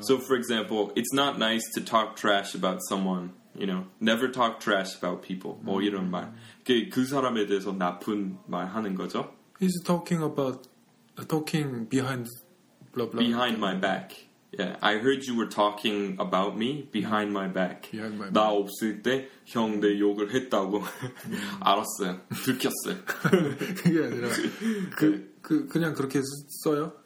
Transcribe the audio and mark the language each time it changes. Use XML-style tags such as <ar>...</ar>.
<en>So for example, it's not nice to talk trash about someone. You know, never talk trash about people.</en> <ko>뭐 이런 말. 그 사람에 대해서 나쁜 말 하는 거죠.</ko> <en>He's talking about talking behind blah blah. Behind my back. Yeah, I heard you were talking about me behind my back. Behind my</en> <ko>나 없을 때 형네 욕을 했다고 알았어요. 들켰어요. 그게 아니라 그냥 그렇게 써요?</ko>